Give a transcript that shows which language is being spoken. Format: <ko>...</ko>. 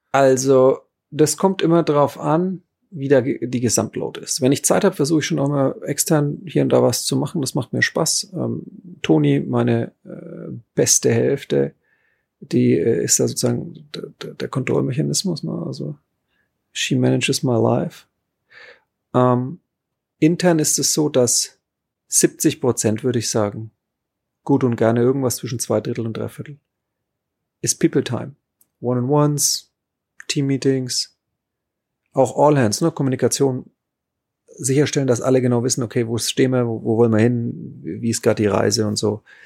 <de>Also das kommt immer drauf an, wie da die Gesamtload ist. Wenn ich Zeit habe, versuche ich schon auch mal extern hier und da was zu machen, das macht mir Spaß. Toni, meine beste Hälfte, die ist da sozusagen der Kontrollmechanismus, ne?</de> <en>Also she manages my life.</en> <de>Intern ist es so, dass 70%, würde ich sagen, gut und gerne irgendwas zwischen 2/3 und 3/4, ist People Time. One-on-ones, Team-Meetings, auch All-Hands, ne? Kommunikation sicherstellen, dass alle genau wissen, okay, wo stehen wir, wo wollen wir hin, wie ist gerade die Reise und so.</de>